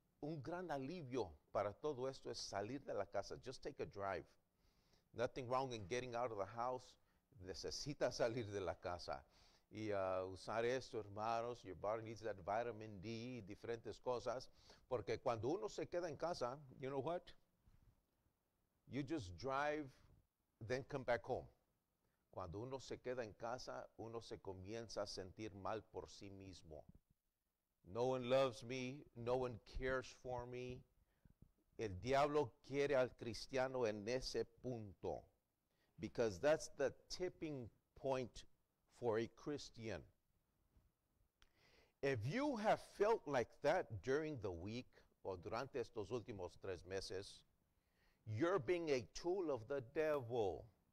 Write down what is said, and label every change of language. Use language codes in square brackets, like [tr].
[es] un gran alivio para todo esto es salir de la casa. [en] Just take a drive. Nothing wrong in getting out of the house. [es] Necesita salir de la casa. Y usar esto, hermanos. [en] Your body needs that vitamin D, [es] diferentes cosas. Porque cuando uno se queda en casa, [en] you know what? You just drive, then come back home. [es] Cuando uno se queda en casa, uno se comienza a sentir mal por sí mismo. [en] No one loves me. No one cares for me. [es] El diablo quiere al cristiano en ese punto. [en] Because that's the tipping point for a Christian. If you have felt like that during the week, or [es] durante estos últimos tres meses, [en] you're being a tool of the devil.